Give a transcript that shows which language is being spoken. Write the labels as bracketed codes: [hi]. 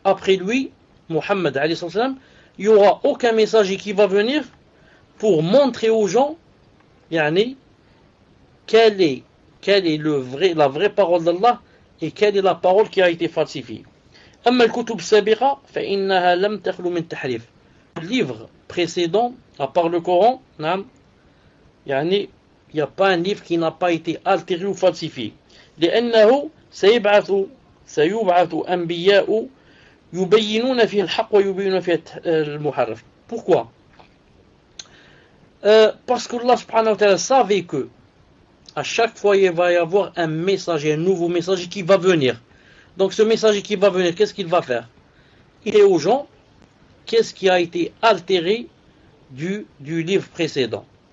[fr] Après lui, Muhammad [ar] عليه الصلاة والسلام, [fr] il n'y aura aucun messager qui va venir pour montrer aux gens, يعني, quelle est la vraie parole d'Allah et quelle est la parole qui a été falsifiée. [ar] أما الكتب السابقة فإنها لم تخلو من تحريف. [fr] Livre précédent, à part le Coran, naam, yani, il n'y a pas un livre qui n'a pas été altéré ou falsifié. [ar] لأنه سيبعث أنبياء يبينون في الحق ويبينون في المحرف. [fr] Pourquoi? Parce que Allah [ar] subhanahu wa ta'ala [fr] savait que à chaque fois il va y avoir un nouveau messager qui va venir. Donc ce messager qui va venir, qu'est-ce qu'il va faire? Il est aux gens qu'est-ce qui a été altéré du livre précédent.